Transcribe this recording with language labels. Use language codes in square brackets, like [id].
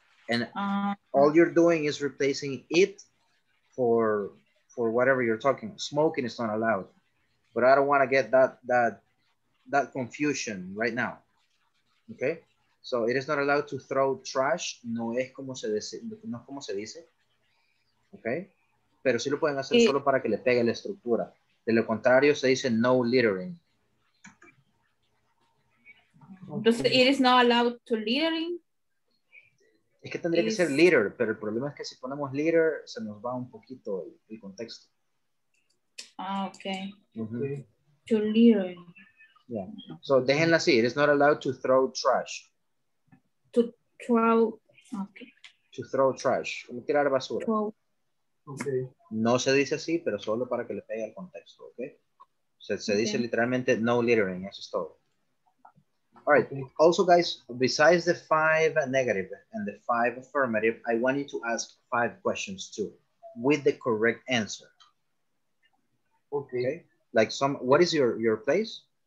[en] And all you're doing is replacing it for whatever you're talking. Smoking is not allowed. But I don't want to get that confusion right now. Okay? So it is not allowed to throw trash. [es] No es como se dice. No es como se dice. Okay? Pero sí lo pueden hacer solo para que le pegue la estructura. De lo contrario, se dice no littering. Entonces, [en] it is not allowed to littering. [es] Es que tendría que ser litter, pero el problema es que si ponemos litter, se nos va un poquito el contexto. [en] Ah, ok. Uh-huh. To litter. Yeah. So, [es] déjenla así. [en] It is not allowed to throw trash. To throw, okay. To throw trash. [es] Como tirar basura. [en] Throw. Okay. [es] No se dice así, pero solo para que le pegue al contexto, ok? Se dice literalmente no littering, eso es todo. [en] All right, also guys, besides the five negative and the five affirmative, I want you to ask five questions too, with the correct answer. Okay. Like some, what is your place?